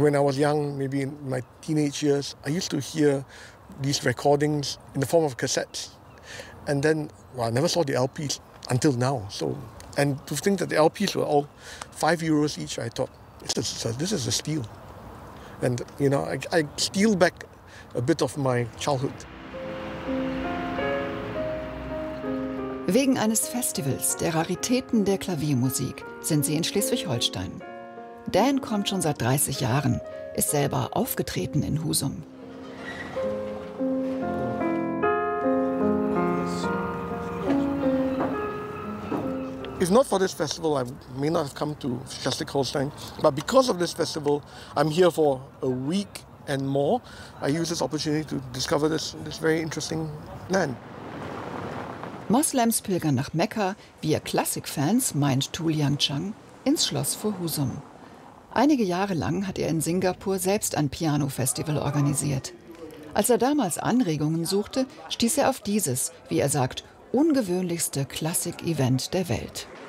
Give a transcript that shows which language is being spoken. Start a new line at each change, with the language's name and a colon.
English: When I was young, maybe in my teenage years, I used to hear these recordings in the form of cassettes. And then, well, I never saw the LPs until now, so. And to think that the LPs were all 5 euros each, I thought, this is a steal. And, you know, I steal back a bit of my childhood.
German: Wegen eines Festivals der Raritäten der Klaviermusik sind sie in Schleswig-Holstein. Dan kommt schon seit 30 Jahren, ist selber aufgetreten in Husum.
English: It's not for this festival. I may not have come to Schleswig-Holstein, but because of this festival, I'm here for a week and more. I use this opportunity to discover this very interesting land.
German: Moslems pilgern nach Mekka, wir Klassikfans, meint Tu Liang Chang, ins Schloss vor Husum. Einige Jahre lang hat er in Singapur selbst ein Piano-Festival organisiert. Als er damals Anregungen suchte, stieß er auf dieses, wie er sagt, ungewöhnlichste Klassik-Event der Welt.